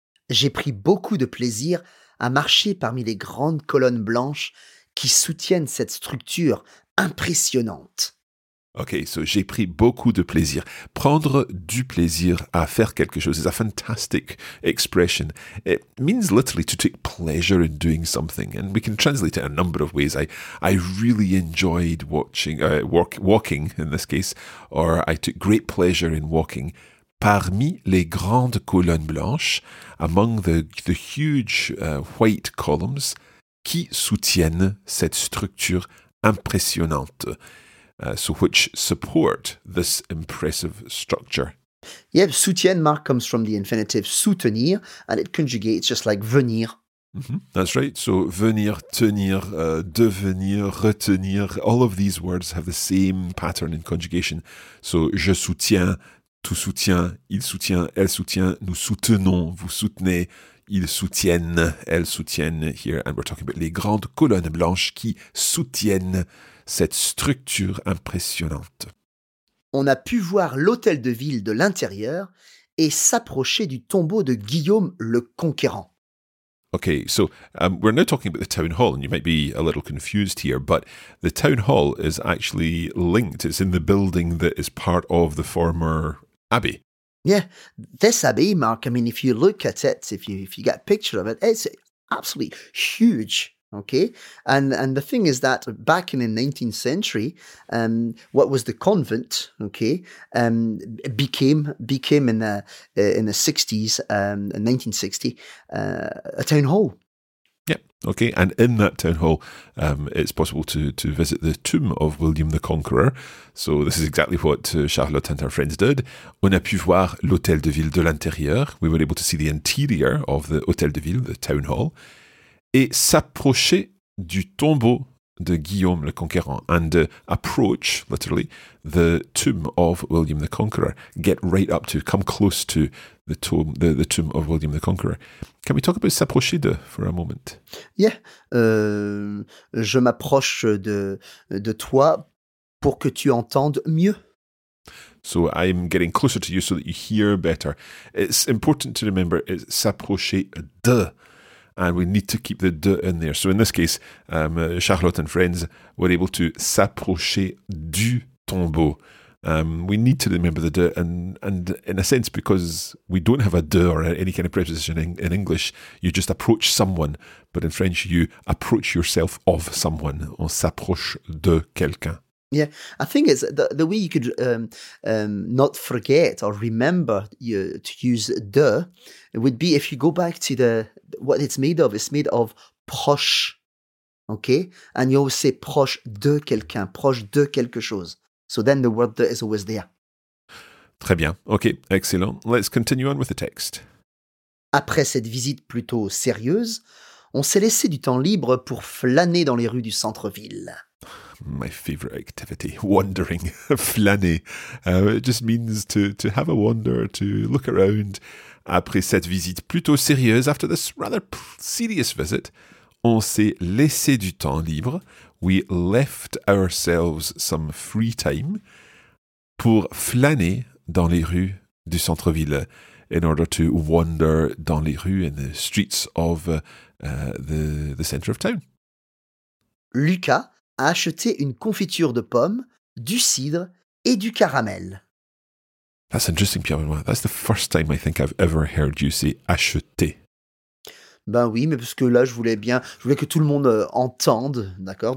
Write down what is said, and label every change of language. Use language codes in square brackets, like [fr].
[fr] J'ai pris beaucoup de plaisir à marcher parmi les grandes colonnes blanches qui soutiennent cette structure impressionnante. [en] Okay, so [fr] j'ai pris beaucoup de plaisir. Prendre du plaisir à faire quelque chose [en] is a fantastic expression. It means literally to take pleasure in doing something. And we can translate it a number of ways. I really enjoyed walking in this case, or I took great pleasure in walking. [fr] Parmi les grandes colonnes blanches, [en] among the huge white columns, [fr] qui soutiennent cette structure impressionnante. [en] So which support this impressive structure. Yeah, soutien, Marc, comes from the infinitive soutenir, and it conjugates just like venir. Mm-hmm. That's right. So venir, tenir, devenir, retenir, all of these words have the same pattern in conjugation. [fr] So je soutiens, tu soutiens, il soutient, elle soutient, nous soutenons, vous soutenez, ils soutiennent, elles soutiennent here. [en] And we're talking about [fr] les grandes colonnes blanches qui soutiennent cette structure impressionnante. On a pu voir l'hôtel de ville de l'intérieur et s'approcher du tombeau de Guillaume le Conquérant. [en] Okay, so we're now talking about the town hall, and you might be a little confused here, but the town hall is actually linked. It's in the building that is part of the former abbey. Yeah, this abbey, Mark, I mean, if you look at it, if you get a picture of it, it's absolutely huge. Okay, and the thing is that back in the 19th century, what was the convent? Okay, became in the 60s, 1960, a town hall. Yep. Okay, and in that town hall, it's possible to visit the tomb of William the Conqueror. So this is exactly what Charlotte and her friends did. [fr] On a pu voir l'hôtel de ville de l'intérieur. [en] We were able to see the interior of the hôtel de ville, the town hall. [fr] Et s'approcher du tombeau de Guillaume le Conquérant, [en] and approach, literally, the tomb of William the Conqueror. Get right up to, come close to the tomb of William the Conqueror. Can we talk about s'approcher de for a moment? [fr] Yeah, je m'approche de toi pour que tu entendes mieux. [en] So I'm getting closer to you so that you hear better. It's important to remember, it's s'approcher de. And we need to keep the de in there. So in this case, Charlotte and friends were able to s'approcher du tombeau. We need to remember the de, and in a sense, because we don't have a de or any kind of preposition in English, you just approach someone. But in French, you approach yourself of someone. [fr] On s'approche de quelqu'un. [en] Yeah, I think it's the way you could not forget or remember to use de would be if you go back to the what it's made of. It's made of proche, okay? And you always say proche de quelqu'un, proche de quelque chose. So then the word de is always there. [fr] Très bien. [en] Okay, excellent. Let's continue on with the text. [fr] Après cette visite plutôt sérieuse, on s'est laissé du temps libre pour flâner dans les rues du centre-ville. [en] My favorite activity, wandering, flâner. It just means to have a wander, to look around. [fr] Après cette visite plutôt sérieuse, [en] after this rather serious visit, [fr] on s'est laissé du temps libre. [en] We left ourselves some free time [fr] pour flâner dans les rues du centre-ville, [en] in order to wander [fr] dans les rues [en] in the streets of the center of town. [fr] Lucas a acheté une confiture de pommes, du cidre et du caramel. [en] That's interesting, Pierre-Benoît. That's the first time I think I've ever heard you say acheter. [fr] Ben oui, mais parce que là, je voulais que tout le monde entende, d'accord?